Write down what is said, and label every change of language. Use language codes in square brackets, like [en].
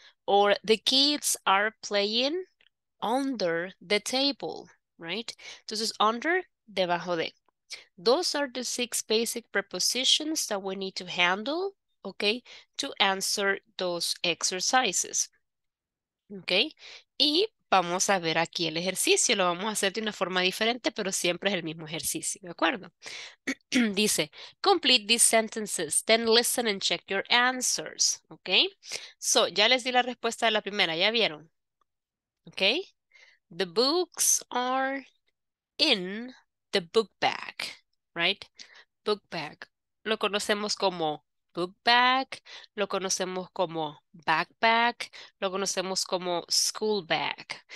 [en] Or the kids are playing under the table, right? Entonces, under, debajo de. Those are the six basic prepositions that we need to handle. Okay, to answer those exercises. [es] ¿Ok? Y vamos a ver aquí el ejercicio. Lo vamos a hacer de una forma diferente, pero siempre es el mismo ejercicio, ¿de acuerdo? [en] Dice, complete these sentences, then listen and check your answers. ¿Ok? [es] So, ya les di la respuesta de la primera, ¿ya vieron? ¿Ok? [en] The books are in the book bag, right? [es] Book bag. Lo conocemos como book bag, lo conocemos como backpack, lo conocemos como school bag.